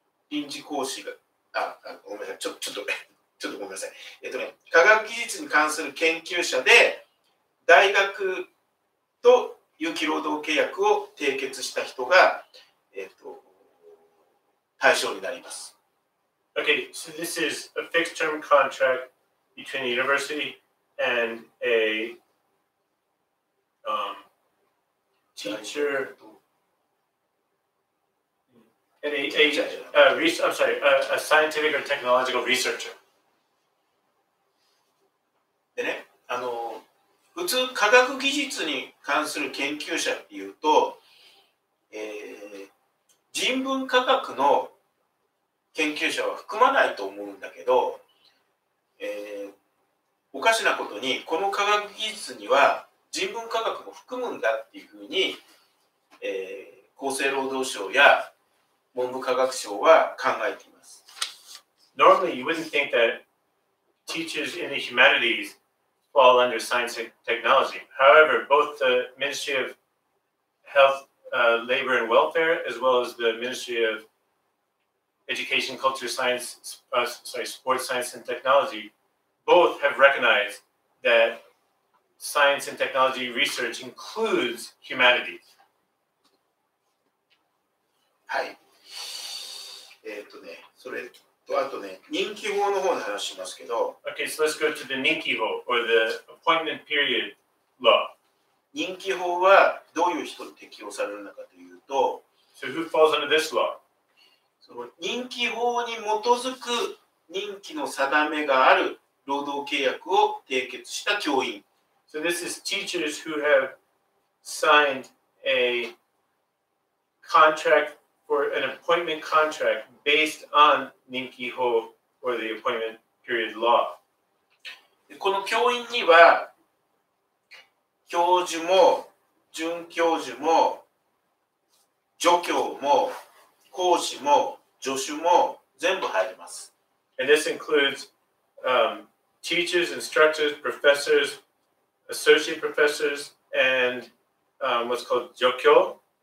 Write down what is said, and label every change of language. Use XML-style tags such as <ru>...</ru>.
<ja>臨時講師が、ごめんなさい、ちょっとごめんなさい、科学技術に関する研究者で、大学と有期労働契約を締結した人が、対象になります。</ja> <en>Okay, so this is a fixed term contract. Between a university and a teacher, and a scientific or technological researcher.</en> <ja>でね、普通科学技術に関する研究者っていうと、人文科学の研究者は含まないと思うんだけど、おかしなことに、この科学技術には人文科学も含むんだっていうふうに、厚生労働省や文部科学省は考えています。</ja> <en>Normally, you wouldn't think that teachers in the humanities fall under science and technology. However, both the Ministry of Health, Labor and Welfare, as well as the Ministry of Education, Culture, Science, Sports, Science, and Technology, both have recognized that science and technology research includes humanities.</en> <ja>はい。それとあとね、任期法の方で話しますけど。</ja> <en>Okay, so let's go to the 任期法 or the appointment period law.</en> <ja>任期法はどういう人に適用されるのかというと、</ja> <en>So who falls under this law?</en> <ja>その任期法に基づく任期の定めがある労働契約を締結した教員。</ja> <en>So this is teachers who have signed a contract for an appointment contract based on 任期法 or the appointment period law.</en> <ja>この教員には教授も准教授も助教も講師も助手も全部入ります。</ja> <en>And this includes, teachers, instructors, professors, associate professors, and, what's called 助教。</en>